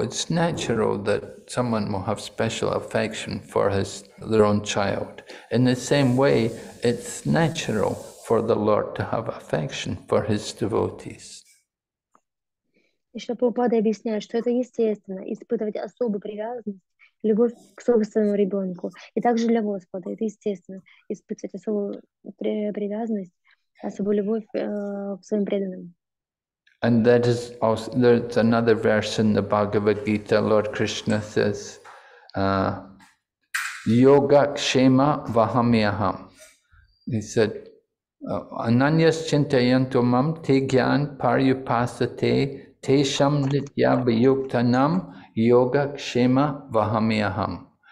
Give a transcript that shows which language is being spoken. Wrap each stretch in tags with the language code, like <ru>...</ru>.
<en>It's natural that someone will have special affection for his their own child. In the same way, it's natural for the Lord to have affection for his devotees.</en> <ru>И что Прабхупада объясняет, что это естественно испытывать особую привязанность, любовь к собственному ребенку, и также для Господа это естественно испытывать особую привязанность, особую любовь к своим преданным.</ru> <en>And that is also, there's another verse in the Bhagavad Gita, Lord Krishna says,</en> <sa>yoga kshema vahamyaham.</sa> <en>He said,</en> <sa>ananyas chintayanto mam te gyan paryupasate te sham nitya vyuktanam yoga kshema vahamyaham.</sa>